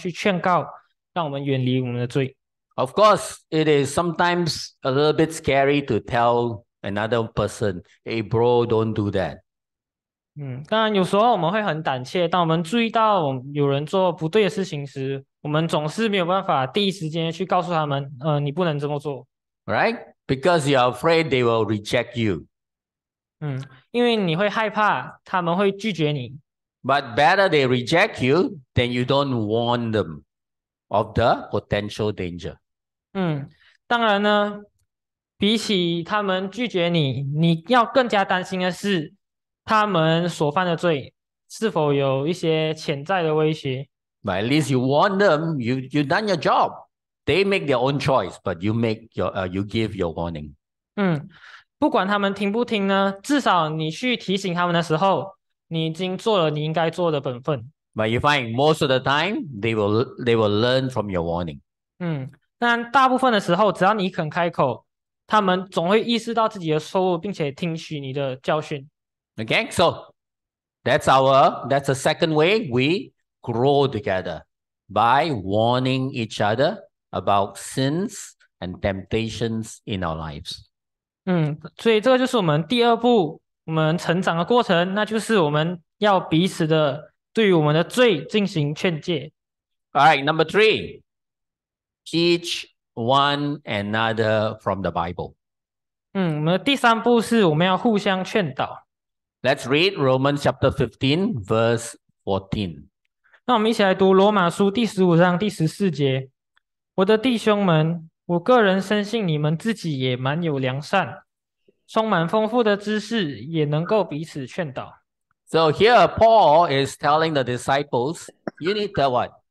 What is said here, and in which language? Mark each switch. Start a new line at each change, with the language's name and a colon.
Chinese: 所以呢，为了让我们从罪中脱离出来，我们身为小组的一员，我们当然也要互相去劝告，让我们远离我们的罪。
English: Of course, it is sometimes a little bit scary to tell another person, hey bro, don't do that.
Chinese: 当然有时候我们会很胆怯，当我们注意到有人做不对的事情时，我们总是没有办法第一时间去告诉他们, 你不能这么做。
English: Right? Because you are afraid they will reject you.
Chinese: 因为你会害怕他们会拒绝你。
English: But better they reject you than you don't warn them of the potential danger.
Chinese: 当然呢，比起他们拒绝你，你要更加担心的是他们所犯的罪是否有一些潜在的威胁。
English: But at least you warn them, you've done your job. They make their own choice, but you make your, you give your warning.
Chinese: 不管他们听不听呢，至少你去提醒他们的时候，你已经做了你应该做的本分。
English: But you find most of the time, they will learn from your warning.
Chinese: 但大部分的时候，只要你肯开口，他们总会意识到自己的错误，并且听取你的教训。
English: Okay, so that's the second way we grow together, by warning each other about sins and temptations in our lives.
Chinese: 所以这个就是我们第二步，我们成长的过程，那就是我们要彼此的对于我们的罪进行劝诫。
English: All right, number three. Teach one another from the Bible.
Chinese: 我们的第三步是我们要互相劝导。
English: Let's read Romans chapter 15, verse 14.
Chinese: 那我们一起来读罗马书第十五章第十四节。我的弟兄们，我个人深信你们自己也蛮有良善，充满丰富的知识，也能够彼此劝导。
English: So here Paul is telling the disciples, you need to what?